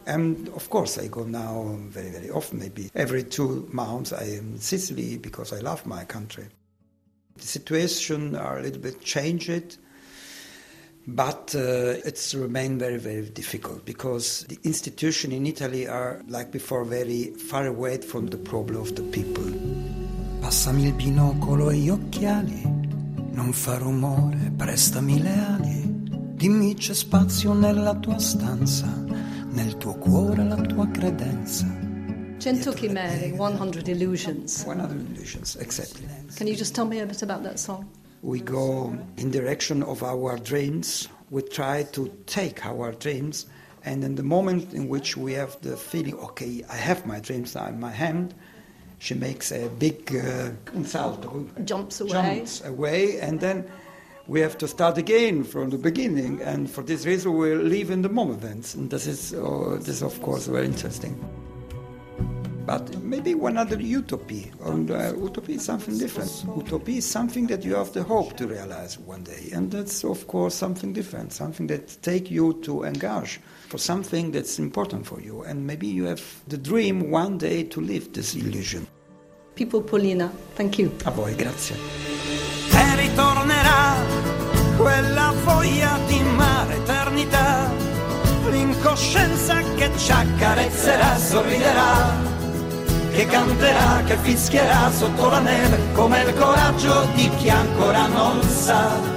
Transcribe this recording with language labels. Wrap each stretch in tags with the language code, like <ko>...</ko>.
<en>And of course I go now very, very often, maybe every 2 months I am in Sicily, because I love my country. The situation are a little bit changed, but it's remain very, very difficult, because the institution in Italy are, like before, very far away from the problem of the people.</en> <it>Passami il binocolo e gli occhiali, non fa rumore, prestami le ali, dimmi c'è spazio nella tua stanza, nel tuo cuore la tua credenza.</it> <en>Cento Chimere, 100 Illusions. 100 Illusions, exactly. Can you just tell me a bit about that song? We go in direction of our dreams. We try to take our dreams, and in the moment in which we have the feeling, okay, I have my dreams now in my hand, she makes a big salto. Jumps away, and then we have to start again from the beginning, and for this reason we live in the moment. And this is of course very interesting. But maybe one other utopia. And utopia is something different. Utopia is something that you have the hope to realize one day. And that's, of course, something different, something that takes you to engage for something that's important for you. And maybe you have the dream one day to live this illusion. Pippo Pollina, thank you.</en> <it>A voi, grazie. E ritornerà quella voglia di mare eternità, l'incoscienza che ci accarezzerà, sorriderà. che canterà, che fischierà sotto la neve, come il coraggio di chi ancora non sa.</it>